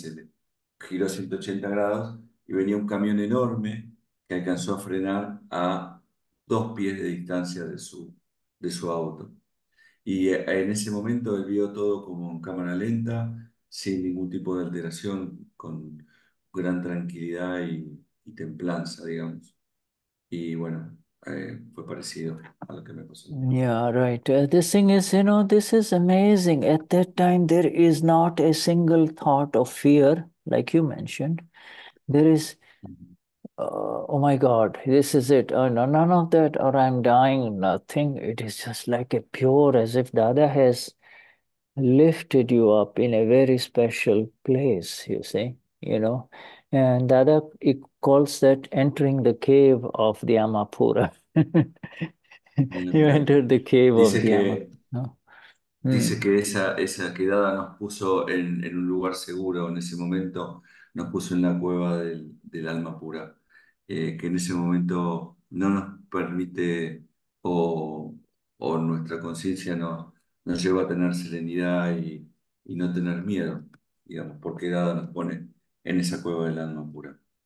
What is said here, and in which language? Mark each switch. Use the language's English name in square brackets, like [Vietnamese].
[Spanish] Se le giró 180 grados y venía un camión enorme que alcanzó a frenar a 2 pies de distancia de su auto. Y en ese momento él vio todo como en cámara lenta, sin ningún tipo de alteración, con gran tranquilidad y templanza, digamos. Y bueno, fue parecido a lo que me pasó. [English] Yeah, right. This thing is, you know, this is amazing. At that time, there is not a single thought of fear, like you mentioned. There is, oh my God, this is it. Oh, no, none of that, or I'm dying, nothing. It is just like a pure, as if Dada has lifted you up in a very special place, you see, you know. And Dada, he calls that entering the cave of the Amapura. You entered the cave of the Amapura. [Spanish] Dice que esa quedada nos puso en un lugar seguro en ese momento, nos puso en la cueva del alma pura, que en ese momento no nos permite o nuestra conciencia nos lleva a tener serenidad y no tener miedo, digamos, porque dada nos pone en esa cueva del alma pura.